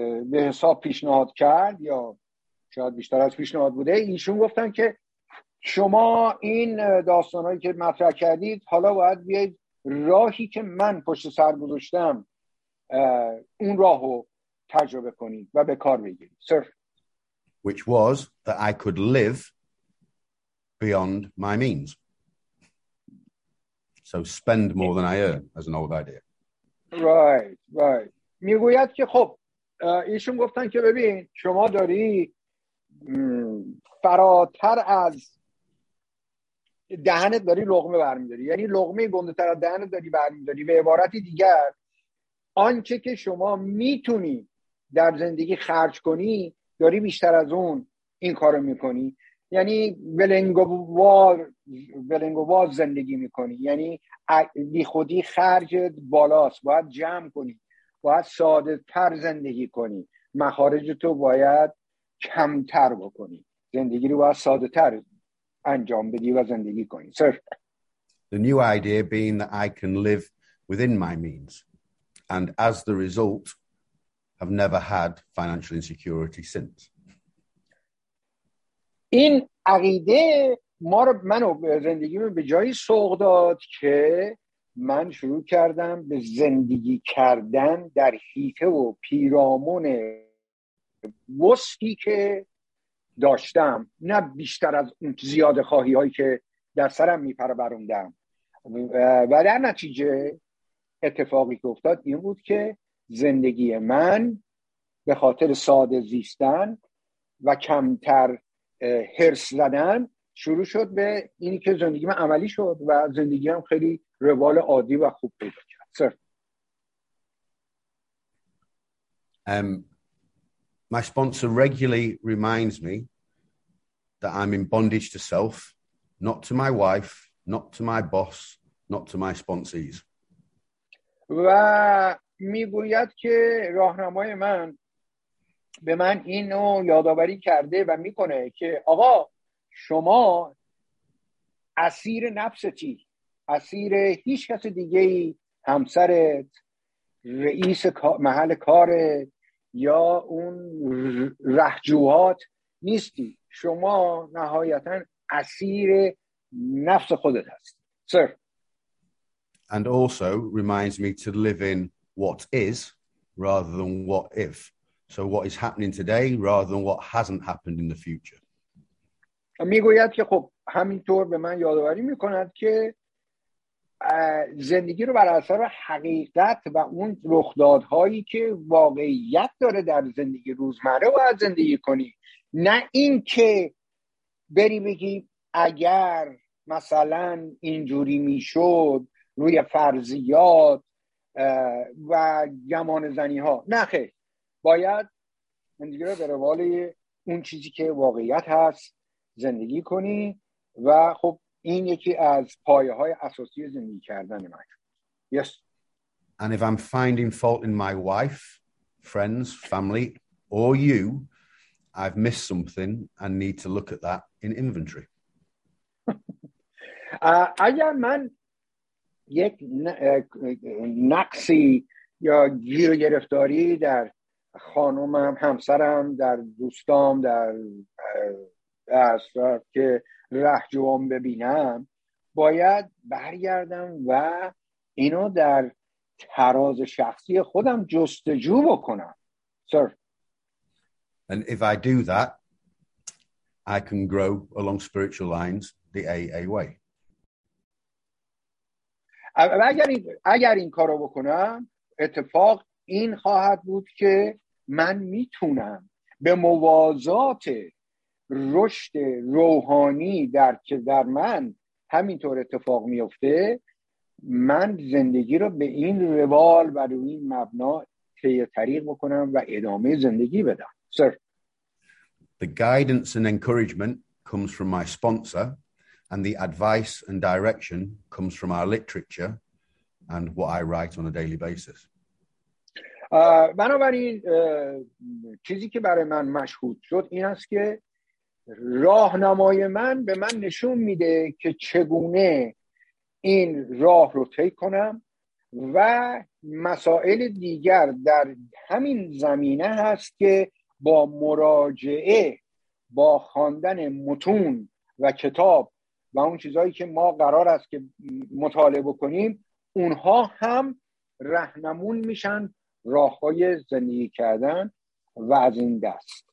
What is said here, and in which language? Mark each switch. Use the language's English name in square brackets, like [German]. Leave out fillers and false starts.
[Persian] به حساب پیشنهاد کرد یا شاید بیشتر از پیشنهاد بوده، اینشون گفتن که شما این داستانایی که مطرح کردید حالا باید بیاید راهی که من پشت سر گذاشتم اون راهو تجربه کنید و به کار بگیرید. صرف [English] which was that I could live beyond my means, so spend more than I earn as an old idea. Right. [Persian] میگوید که خب ایشون گفتن که ببین شما داری فراتر از دهنت داری لقمه برمیداری، یعنی لقمه گنده تر از دهنت داری برمیداری، به عبارتی دیگر آنچه که شما میتونی در زندگی خرج کنی داری بیشتر از اون این کار رو میکنی، یعنی بلنگوار زندگی میکنی، یعنی بی خودی خرجت بالاست، باید جمع کنی، باید ساده تر زندگی کنی، مخارج تو باید کمتر بکنی، زندگی رو باید ساده تر انجام بدی و زندگی کنی. صرف [English] The new idea being that I can live within my means and as the result have never had financial insecurity since. [Persian] این عقیده منو به زندگی من به جایی سوق داد که من شروع کردم به زندگی کردن در حیطه و پیرامون وسعتی که داشتم، نه بیشتر از اون زیاده خواهی هایی که در سرم میپروروندم. و در نتیجه اتفاقی که افتاد این بود که زندگی من به خاطر ساده زیستن و کمتر هرس زدن شروع شد به اینی که زندگی من عملی شد و زندگی هم خیلی روال عادی و خوب پیدا کرد. سر. [English] My sponsor regularly reminds me that I'm in bondage to self, not to my wife, not to my boss, not to my sponsees. [Persian] و میگوید که راهنمای من به من اینو یادآوری کرده و میکنه که آقا شما اسیر نفستی، اسیر هیچ کس دیگه، همسرت، رئیس محل کارت یا اون رهجوات نیستی، شما نهایتا اسیر نفس خودت هست. سر. [English] And also reminds me to live in what is rather than what if. So what is happening today rather than what hasn't happened in the future. [Persian] میگوید که خب همینطور به من یادآوری میکند که زندگی رو بر اساس حقیقت و اون رخدادهایی که واقعیت داره در زندگی روزمره باید زندگی کنی، نه این که بری بگی اگر مثلا اینجوری میشد روی فرضیات و گمان زنی ها. نه خیلی، باید زندگی رو به روال اون چیزی که واقعیت هست زندگی کنی و خب این یکی از پایه‌های اساسی زندگی کردن من. [English] Yes. And if I'm finding fault in my wife, friends, family or you, I've missed something and need to look at that in inventory. [Persian] اگر من یک نقصی یا گیر و گرفتاری در خانومم، همسرم، در دوستام، در اصلاف که رهجوام ببینم، باید برگردم و اینو در تراز شخصی خودم جستجو بکنم. سر. [English] And if I do that, I can grow along spiritual lines the AA way. [Persian] اگر این کارو بکنم اتفاق این خواهد بود که من میتونم به موازات رشد روحانی در که در من همینطور اتفاق میفته، من زندگی رو به این روال و روی این مبنا تیه طریق بکنم و ادامه زندگی بدم. سر [English] The guidance and encouragement comes from my sponsor, and the advice and direction comes from our literature and what I write on a daily basis. [Persian] بنابراین چیزی که برای من مشهود شد این است که راهنمای من به من نشون میده که چگونه این راه رو طی کنم و مسائل دیگر در همین زمینه هست که با مراجعه، با خواندن متون و کتاب و اون چیزهایی که ما قرار است که مطالعه بکنیم، اونها هم رهنمون میشن راه‌های زندگی کردن و از این دست.